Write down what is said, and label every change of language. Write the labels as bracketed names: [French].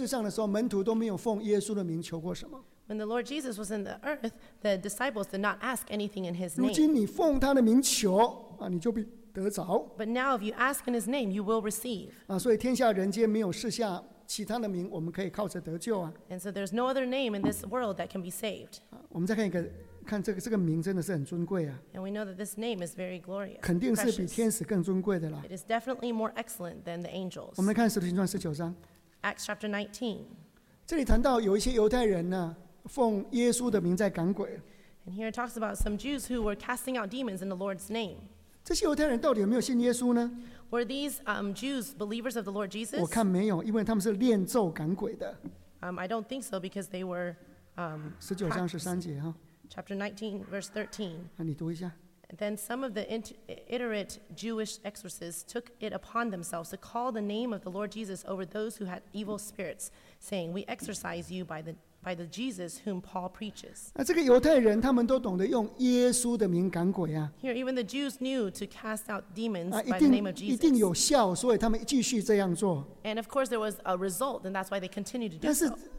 [Chinese] 向来你们没有奉我的名求什么，如今你们求就必得着。所以喜乐就更满足。那个耶稣在世上的时候，门徒都没有奉耶稣的名求过什么。 [English] When the Lord Jesus was in the earth, the disciples did not ask anything in his name. [Chinese] 如今你奉他的名求，你就必得着。 [English] But now if you ask in his name, you will receive. [Chinese] 所以天下人间没有赐下其他的名，我们可以靠着得救啊。 [English] And so there's no other name in this world that can be saved. [Chinese] 我们再看一个，看这个名真的是很尊贵啊。 [English] And we know that this name is very glorious. [Chinese] 肯定是比天使更尊贵的了。 [English] It is definitely more excellent than the angels. [Chinese] 我们来看使徒行传19章。 [English] Acts chapter 19. [Chinese] 这里谈到有一些犹太人呢, 奉耶稣的名在赶鬼。 [English] And here it talks about some Jews who were casting out demons in the Lord's name. [Chinese] 这些犹太人到底有没有信耶稣呢? [English] Were these Jews believers of the Lord Jesus? [Chinese] 我看没有, 因为他们是练咒赶鬼的。 [English] I don't think so because they were [Chinese] 19章13节, [English] Chapter 19, verse 13. [Chinese] 你读一下。 [English] Then some of the iterate Jewish exorcists took it upon themselves to call the name of the Lord Jesus over those who had evil spirits, saying, "We exorcise you by the Jesus whom Paul preaches." [Chinese] 这个犹太人他们都懂得用耶稣的名赶鬼啊。 [English] Here, even the Jews knew to cast out demons [Chinese] 一定, [English] by the name of Jesus. [Chinese] 一定有效，所以他们继续这样做。 [English] And of course, there was a result, and that's why they continued to do so.